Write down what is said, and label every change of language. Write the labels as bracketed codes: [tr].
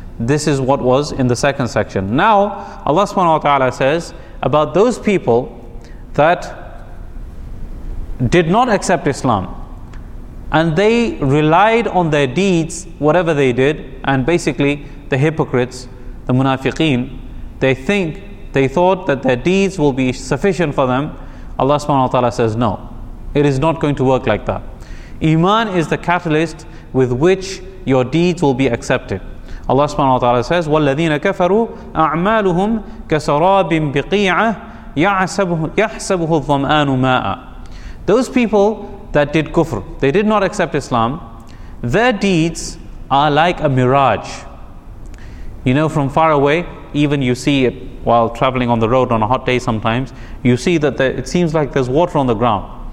[en] This is what was in the second section. Now, Allah subhanahu wa ta'ala says about those people that did not accept Islam, and they relied on their deeds, whatever they did, and basically the hypocrites, the munafiqeen, they thought that their deeds will be sufficient for them. Allah subhanahu wa ta'ala says, no, it is not going to work like that. Iman is the catalyst with which your deeds will be accepted. Allah subhanahu wa ta'ala says, [ar] وَالَّذِينَ كَفَرُوا أَعْمَالُهُمْ كَسَرَابٍ بِقِيعَةٍ يَحْسَبُهُ الظَّمْآنُ مَاءً. [en] Those people that did kufr, they did not accept Islam, their deeds are like a mirage. You know, from far away, even you see it while traveling on the road on a hot day sometimes, you see that it seems like there's water on the ground.